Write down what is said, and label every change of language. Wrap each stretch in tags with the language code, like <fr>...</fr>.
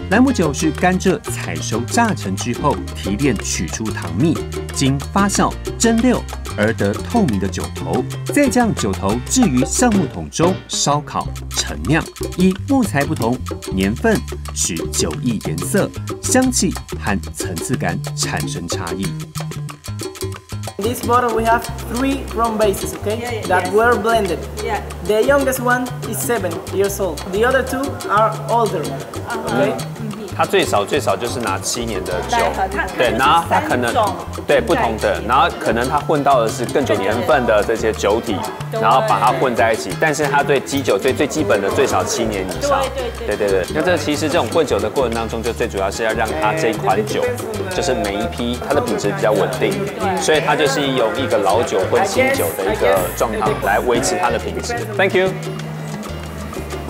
<zh>莱姆酒是甘蔗采收榨成之后提炼取出糖蜜，经发酵蒸馏而得透明的酒头，再将酒头置于橡木桶中烧烤陈酿。依木材不同，年份使酒液颜色、香气和层次感产生差异。</zh> <en>In this bottle we have 3 rum bases, okay? Yeah, yeah, that were blended. Yeah. The youngest one is 7 years old. The other two are older. Okay.</en> <zh>他最少最少就是拿7年的酒，对，然后他可能对不同的，然后可能他混到的是更久年份的这些酒体，然后把它混在一起。但是他对基酒最最基本的最少7年以上，对对对对。那这其实这种混酒的过程当中，就最主要是要让它这一款酒，就是每一批它的品质比较稳定，所以它就是用一个老酒混新酒的一个状态来维持它的品质。</zh> <en>Thank you。</en>